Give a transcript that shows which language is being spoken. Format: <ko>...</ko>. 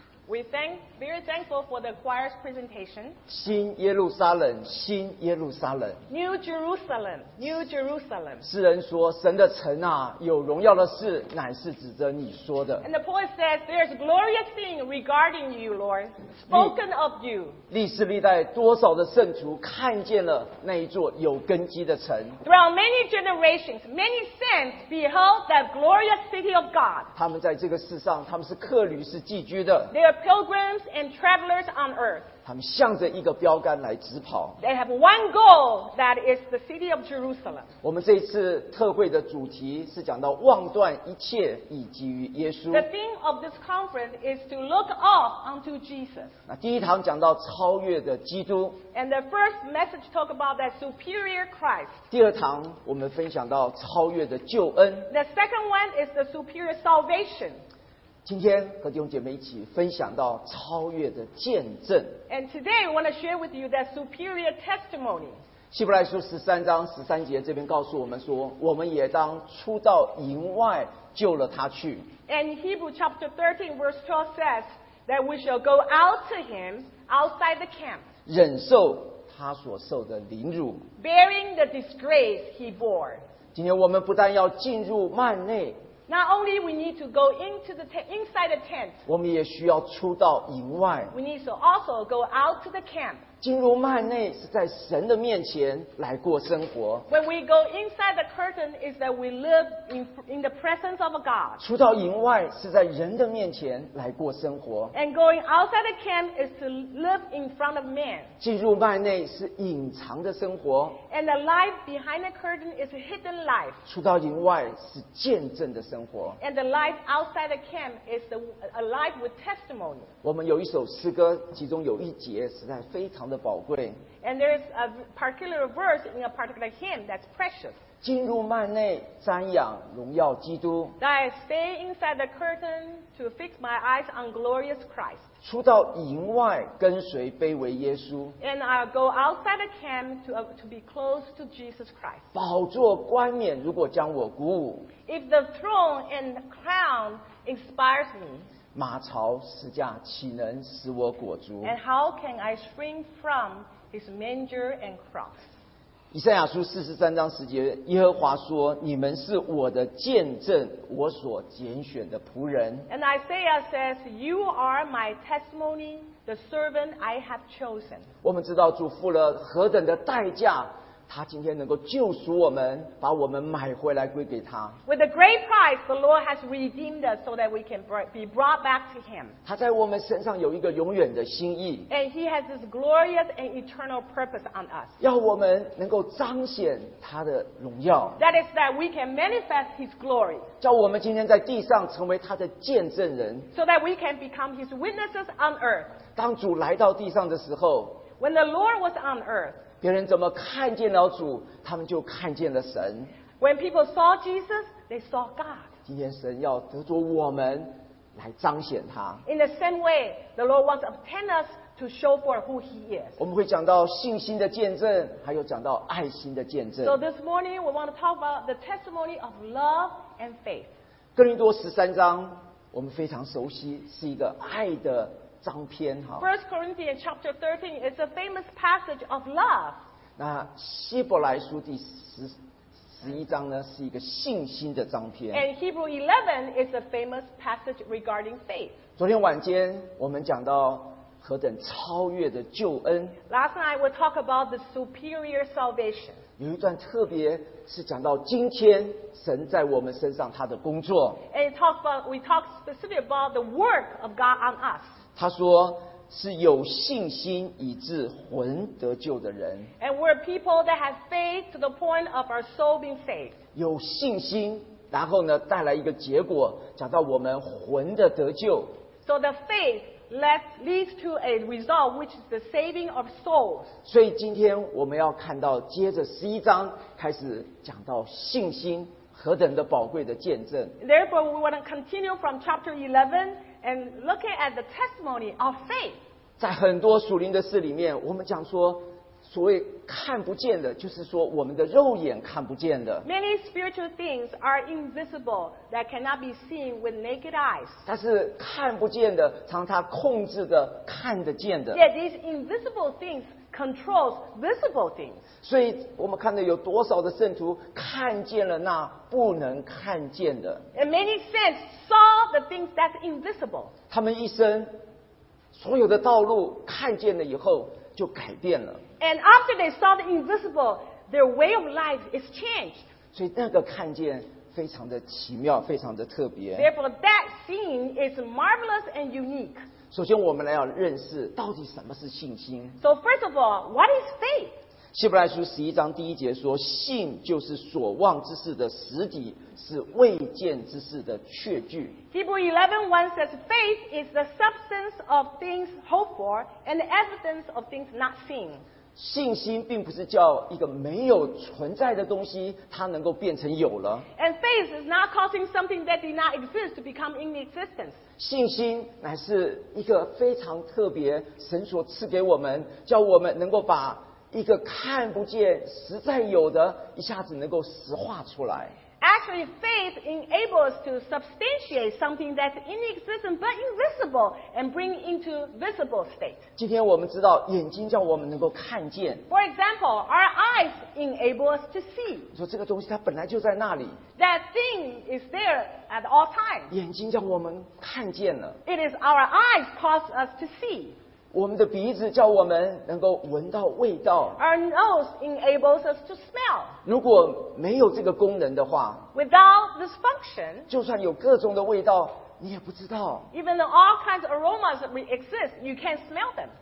<en>We thank very thankful for the choir's presentation.</en> <zh>新耶路撒冷，新耶路撒冷。</zh> <en>New Jerusalem, New Jerusalem.</en> <zh>诗人说，神的城啊，有荣耀的事，乃是指着你说的。</zh> <en>And the poet says, there's a glorious thing regarding you, Lord, spoken of you.</en> <zh>历史历代多少的圣徒看见了那一座有根基的城。</zh> <en>Throughout many generations, many saints behold that glorious city of God.</en> <zh>他们在这个世上，他们是客旅，是寄居的。</zh> <en>They are pilgrims and travelers on earth.</en> <zh>他们向着一个标杆来直跑。</zh> <en>They have one goal, that is the city of Jerusalem.</en> <zh>我们这一次特会的主题是讲到望断一切以及于耶稣。</zh> <en>The theme of this conference is to look off unto Jesus.</en> <zh>那第一堂讲到超越的基督。</zh> <en>And the first message talk about that superior Christ.</en> <zh>第二堂我们分享到超越的救恩。</zh> <en>The second one is the superior salvation.</en> <zh>今天和弟兄姐妹一起分享到超越的见证。</zh> <en>And today I want to share with you that superior testimony.</en> <zh>希伯来书十三章十三节这边告诉我们说，我们也当出到营外救了他去。</zh> <en>And Hebrews chapter 13 verse 12 says that we shall go out to him outside the camp.</en> <zh>忍受他所受的凌辱。</zh> <en>Bearing the disgrace he bore.</en> <zh>今天我们不但要进入幔内。</zh> <en>Not only we need to go into the tent, inside the tent.</en> <zh>我们也需要出到营外。</zh> <en>We need to also go out to the camp.</en> <zh>进入幔内是在神的面前来过生活。</zh> <en>When we go inside the curtain is that we live in the presence of God.</en> <zh>出到营外是在人的面前来过生活。</zh> <en>And going outside the camp is to live in front of man.</en> <zh>进入幔内是隐藏的生活。</zh> <en>And the life behind the curtain is a hidden life.</en> <zh>出到营外是见证的生活。</zh> <en>And the life outside the camp is a life with testimony.</en> <zh>我们有一首诗歌，其中有一节实在非常的宝贵。</zh> <en>And there is a particular verse in a particular hymn that's precious.</en> <zh>进入幔内，瞻仰荣耀基督。</zh> <en>I stay inside the curtain to fix my eyes on glorious Christ.</en> <zh>出到营外，跟随卑微耶稣。</zh> <en>And I go outside the camp to be close to Jesus Christ.</en> <zh>宝座冠冕如果将我鼓舞。</zh> <en>If the throne and crown inspires me,</en> <zh>马槽施驾岂能使我裹足？</zh> <en>And how can I spring from his manger and cross?</en> <zh>以赛亚书四十三章十节，耶和华说：“你们是我的见证，我所拣选的仆人。”</zh> <en>And Isaiah says, "You are my testimony, the servant I have chosen."</en> <zh>我们知道主付了何等的代价。他今天能够救赎我们，把我们买回来归给他。</zh> <en>With a great price, the Lord has redeemed us so that we can be brought back to Him.</en> <zh>他在我们身上有一个永远的心意。</zh> <en>And He has this glorious and eternal purpose on us.</en> <zh>要我们能够彰显他的荣耀。</zh> <en>That is that we can manifest His glory.</en> <zh>叫我们今天在地上成为他的见证人。</zh> <en>So that we can become His witnesses on earth.</en> <zh>当主来到地上的时候。</zh> <en>When the Lord was on earth.</en> <zh>别人怎么看见了主，他们就看见了神。</zh> <en>When people saw Jesus, they saw God.</en> <zh>今天神要得着我们来彰显他。</zh> <en>In the same way, the Lord wants to obtain us to show for who He is.</en> <zh>我们会讲到信心的见证，还有讲到爱心的见证。</zh> <en>So this morning we want to talk about the testimony of love and faith.</en> <zh>哥林多十三章，我们非常熟悉，是一个爱的。章篇哈</zh> <en>First Corinthians chapter 13 is a famous passage of love.</en> <zh>那希伯来书第十一章呢是一个信心的章篇。</zh> <en>And Hebrew 11 is a famous passage regarding faith.</en> <zh>昨天晚间我们讲到何等超越的救恩。</zh> <en>Last night we talked about the superior salvation.</en> <zh>有一段特别是讲到今天神在我们身上他的工作。</zh> <en>And we talked specifically about the work of God on us.</en> <zh>他说是有信心以致魂得救的人。</zh> <en>And we're people that have faith to the point of our soul being saved.</en> <zh>有信心，然后呢带来一个结果，讲到我们魂的得救。</zh> <en>So the faith leads to a result which is the saving of souls.</en> <zh>所以今天我们要看到接着十一章开始讲到信心何等的宝贵的见证。</zh> <en>Therefore, we want to continue from chapter 11. And looking at the testimony of faith.</en> <zh>在很多属灵的事里面，我们讲说所谓看不见的，就是说我们的肉眼看不见的。</zh> <en>Many spiritual things are invisible that cannot be seen with naked eyes.</en> <zh>但是看不见的，常常控制着看得见的。</zh> <en>Yet these invisible things controls visible things.</en> <zh>所以我们看到有多少的圣徒看见了那不能看见的。</zh> <en>And many saints saw the things that's invisible.</en> <zh>他们一生所有的道路看见了以后。就改变了。</zh> <en>And after they saw the invisible, their way of life is changed.</en> <zh>所以那个看见非常的奇妙，非常的特别。</zh> <en>Therefore, that scene is marvelous and unique.</en> <zh>首先，我们来要认识到底什么是信心。</zh> <en>So first of all, what is faith?</en> <zh>希伯来书十一章第一节说：“信就是所望之事的实底，是未见之事的确据。”</zh> <en>Hebrews 11:1 says, "Faith is the substance of things hoped for, and the evidence of things not seen."</en> <zh>信心并不是叫一个没有存在的东西，它能够变成有了。</zh> <en>And faith is not causing something that did not exist to become in existence.</en> <zh>信心乃是一个非常特别，神所赐给我们，叫我们能够把一个看不见实在有的一下子能够实化出来。</zh> <en>Actually, faith enables to substantiate something that's inexistent but invisible and bring into visible state.</en> <zh>今天我们知道眼睛叫我们能够看见。</zh> <en>For example, our eyes enable us to see.</en> <zh>说这个东西它本来就在那里。</zh> <en>That thing is there at all times.</en> <zh>眼睛叫我们看见了。</zh> <en>It is our eyes cause us to see.</en> <zh>我们的鼻子叫我们能够闻到味道。</zh> <en>Our nose enables us to smell.</en> <zh>如果没有这个功能的话，</zh> <en>Without this function,</en> <zh>就算有各种的味道，你也不知道。</zh> <en>Even though all kinds of aromas exist, you can't smell them.</en>